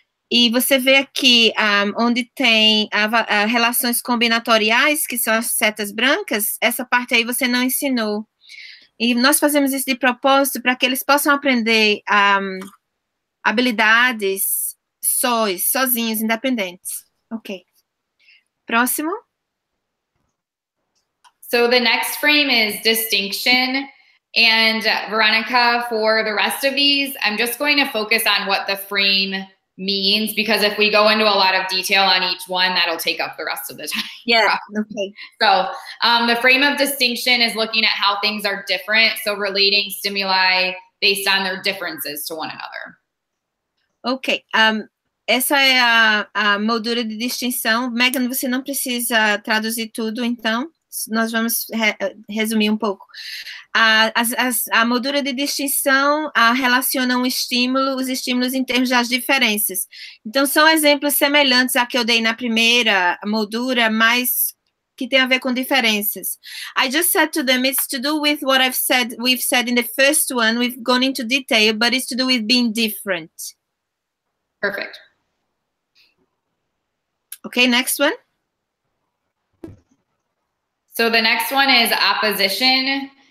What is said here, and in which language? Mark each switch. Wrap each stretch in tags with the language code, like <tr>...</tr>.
<pt>E você vê aqui, onde tem relações combinatoriais, que são as setas brancas, essa parte aí você não ensinou. E nós fazemos isso de propósito para que eles possam aprender habilidades sozinhos, independentes. Ok. Próximo.</pt> <en>So the next frame is distinction, and Veronica, for the rest of these, I'm just going to focus on what the frame means, because if we go into a lot of detail on each one, that'll take up the rest of the time. Yeah, probably. So the frame of distinction is looking at how things are different, so relating stimuli based on their differences to one another.</en> <pt>Okay, essa é a moldura de distinção. Megan, você não precisa traduzir tudo, então nós vamos resumir um pouco. A moldura de distinção relaciona os estímulos em termos das diferenças. Então, são exemplos semelhantes à que eu dei na primeira moldura, mas que tem a ver com diferenças.</pt> <en>I just said to them, it's to do with what I've said, we've said in the first one, we've gone into detail, but it's to do with being different. Perfect. Okay, next one. So the next one is opposition.</en>